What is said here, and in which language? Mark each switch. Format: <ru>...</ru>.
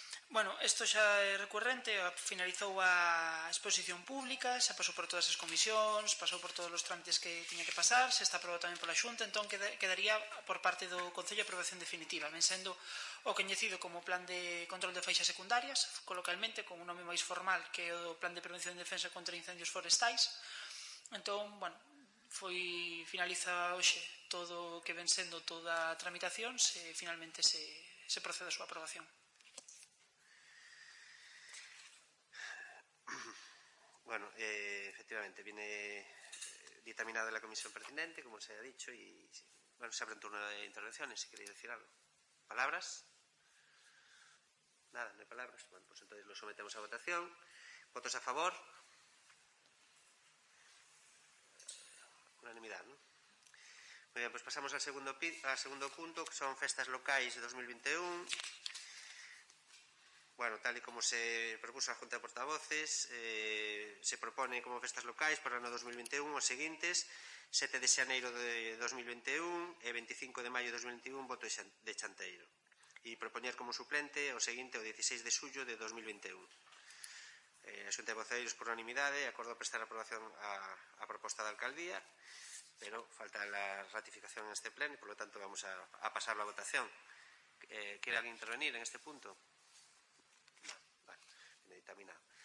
<gl>Bueno, esto xa é recurrente, finalizou a exposición pública, xa pasou por todas as comisións, pasou por todos os trámites que tiña que pasar, xa está aprobado tamén pola Xunta, entón quedaría por parte do Concello a aprobación definitiva, ben sendo o coñecido como Plan de Control de Faixas Secundarias, coloquialmente, con un nome máis formal que o Plan de Prevención e Defensa contra Incendios Forestais. Entón, bueno, finaliza hoxe todo o que ven sendo toda a tramitación, finalmente se procede a súa aprobación.</gl> <es>Bueno, efectivamente, viene dictaminada la comisión pertinente, como se ha dicho, y bueno, se abre un turno de intervenciones, si queréis decir algo. ¿Palabras? Nada, no hay palabras. Bueno, pues entonces lo sometemos a votación. ¿Votos a favor? Unanimidad, ¿no? Muy bien, pues pasamos al segundo punto, que son</es> <gl>festas locais</gl> <es>de 2021. Bueno, tal y como se propuso a Junta de Portavoces, se propone como</es> <gl>festas locais</gl> <es>para el año 2021</es> <gl>os seguintes: 7 de xaneiro de 2021 e 25 de maio de 2021, voto de Chanteiro. E propoñer como suplente o seguinte, o 16 de xullo de 2021. A Xunta de Voceiros, por unanimidade, acordou prestar aprobación a proposta da Alcaldía,</gl> <es>pero falta la ratificación en este pleno y por lo tanto vamos a pasar la votación. ¿Quiere alguien intervenir en este punto? No, vale, no dictaminado.</es>